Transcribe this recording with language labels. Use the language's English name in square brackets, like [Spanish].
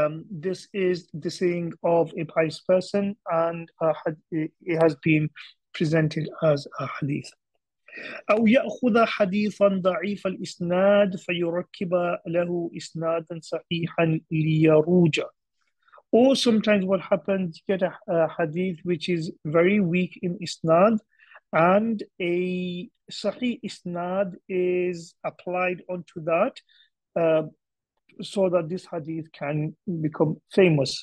[English] This is the saying of a pious person, and it has been presented as a hadith. [Arabic] أو يأخذ حديثا ضعيف الإسناد فيركب له إسنادا صحيحا ليروج. [English] Or sometimes what happens, you get a hadith which is very weak in isnad, and a sahih isnad is applied onto that so that this hadith can become famous.